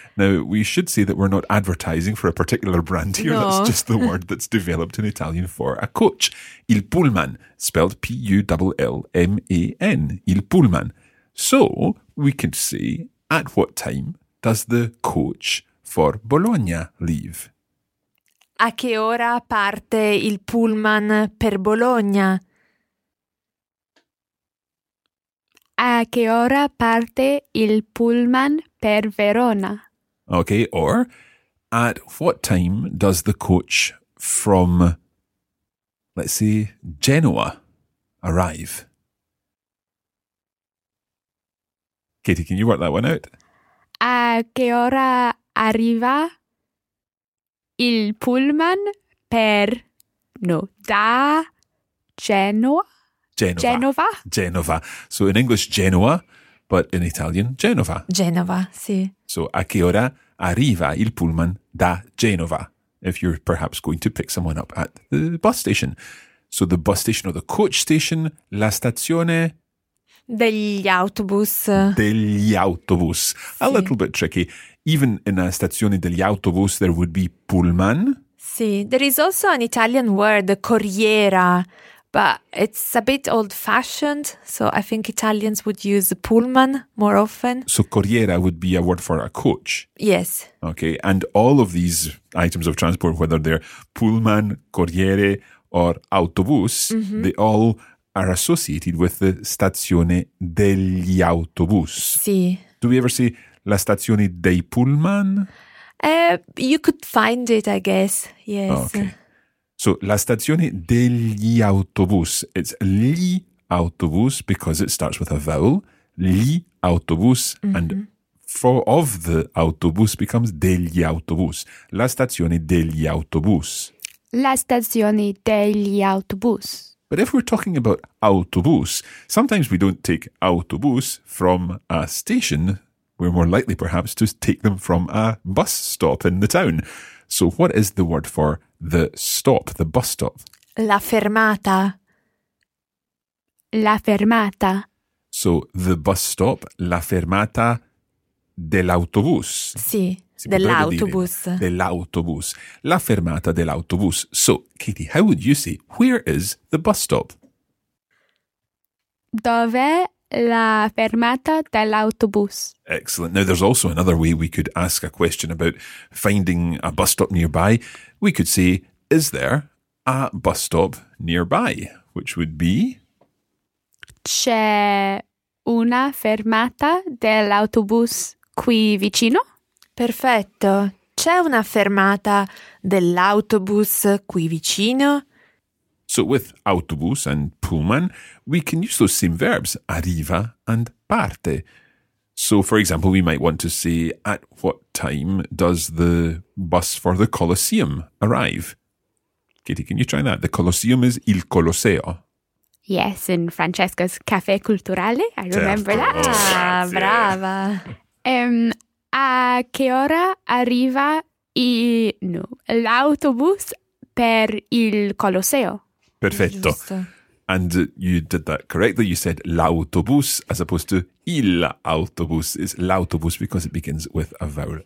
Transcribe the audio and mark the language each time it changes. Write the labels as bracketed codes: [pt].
[en] Now, we should say that we're not advertising for a particular brand here. No. That's just the word that's developed in Italian for a coach. [it] Il pullman, [en] spelled P-U-L-L-M-A-N. Il pullman. So, we could say, at what time does the coach for Bologna leave? [it] A che ora parte il pullman per Bologna? A che ora parte il pullman per Verona? [en] Okay, or at what time does the coach from, let's say, Genoa arrive? Katie, can you work that one out? [it] A che ora arriva il pullman per, no, da Genoa? Genova. Genova. [en] Genova. So in English, Genoa, but in Italian, Genova. [it] Genova, sì. [en] So [it] a che ora arriva il pullman da Genova, [en] if you're perhaps going to pick someone up at the bus station. So the bus station, or the coach station, [it] la stazione... Degli autobus. Degli autobus. Sì. [en] A little bit tricky. Even in a [it] stazione degli autobus, [en] there would be pullman. [it] Sì. [en] There is also an Italian word, corriera. But it's a bit old-fashioned, so I think Italians would use pullman more often. So corriera would be a word for a coach. Yes. Okay, and all of these items of transport, whether they're pullman, corriere, or autobus, mm-hmm. they all are associated with the stazione degli autobus. [it] Sì. [en] Do we ever see [it] la stazione dei pullman? [en] You could find it, I guess. Yes. Okay. [it] So, la stazione degli autobus. [en] It's gli autobus because it starts with a vowel. [it] Gli autobus. [en] Mm-hmm. And for of the autobus becomes [it] degli autobus. La stazione degli autobus. La stazione degli autobus. [en] But if we're talking about autobus, sometimes we don't take autobus from a station. We're more likely, perhaps, to take them from a bus stop in the town. So what is the word for the stop, the bus stop? [it] La fermata. La fermata. [en] So the bus stop, [it] la fermata dell'autobus. Sì. Dell'autobus. Dell'autobus. La fermata dell'autobus. [en] So, Katie, how would you say, where is the bus stop? [it] Dov'è la fermata dell'autobus? [en] Excellent. Now, there's also another way we could ask a question about finding a bus stop nearby. We could say, is there a bus stop nearby? Which would be? [it] C'è una fermata dell'autobus qui vicino? Perfetto. C'è una fermata dell'autobus qui vicino? [en] So with autobus and pullman, we can use those same verbs, arriva and parte. So for example, we might want to say, at what time does the bus for the Colosseum arrive? Katie, can you try that? The Colosseum is il Colosseo. Yes, in Francesco's Café Culturale. I remember [it] certo. [en] That. Oh, [it] brava. A che ora arriva l'autobus per il Colosseo? Perfetto. Giusto. [en] And you did that correctly. You said l'autobus as opposed to il autobus. It's l'autobus because it begins with a vowel.